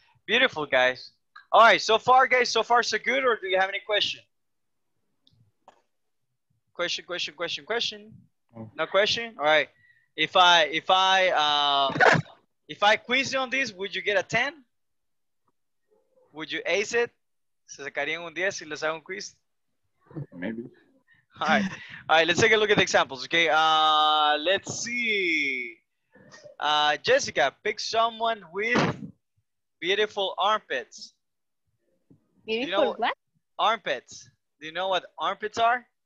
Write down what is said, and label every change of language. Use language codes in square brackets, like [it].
[en] Beautiful, guys. All right, so far so good, or do you have any question? Question. No question? All right. If I quiz you on this, would you get a 10? Would you ace it? [es] ¿Se sacarían un 10 si les hago un quiz? [en] Maybe. All right. Let's take a look at the examples, okay? Let's see. Jessica, pick someone with beautiful armpits. Beautiful, you know what? Armpits. Do you know what armpits are?